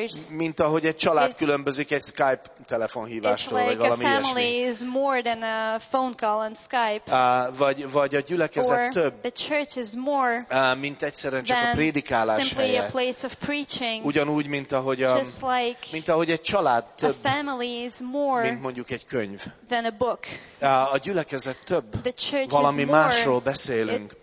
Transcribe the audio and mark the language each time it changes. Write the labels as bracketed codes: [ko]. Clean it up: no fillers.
[hu] Mint ahogy egy család különbözik egy Skype telefonhívástól, [en] like [hu] vagy valami ilyesmi. [en] It's like a family is more than a phone call on Skype. [hu] Vagy a gyülekezet [en] or [hu] több [en] the church is more [hu] mint egyszerűen csak a prédikálás helye. Ugyanúgy, mint ahogy, mint ahogy egy család több, mint mondjuk egy könyv. A gyülekezet több, valami másról beszélünk.